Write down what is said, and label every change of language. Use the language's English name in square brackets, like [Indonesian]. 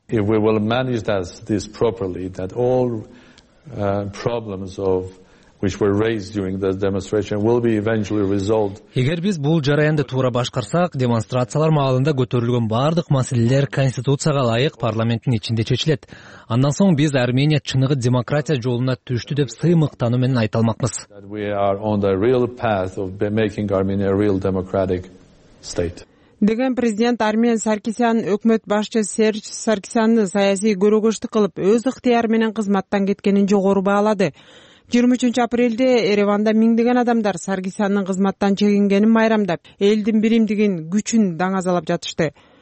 [English] If we will manage this properly, that all problems of which were raised during the demonstration will be eventually resolved. [Kyrgyz] Эгер биз бул жараянды туура башкарсак, демонстрациялар маалында көтөрүлгөн бардык маселелер конституцияга ылайык парламенттин ичинде чечилет. Андан соң биз Армения чыныгы демократия жолуна түштү деп сыймыктануу менен айта алмакбыз. [English] We are on the real path of making Armenia a real democratic state. [Kyrgyz] Деген президент Армен Саркисян өкмөт башчы Серж Саркисянды саясий көрүгүштү кылып, өз ыктыяры менен кызматтан кеткенин жогору баалады. 23 апрелде Ереванда миңдеген адамдар Саргисяндын кызматтан чегингенин майрамдап, элдин биримдигин, күчүн даңазалап жатышты.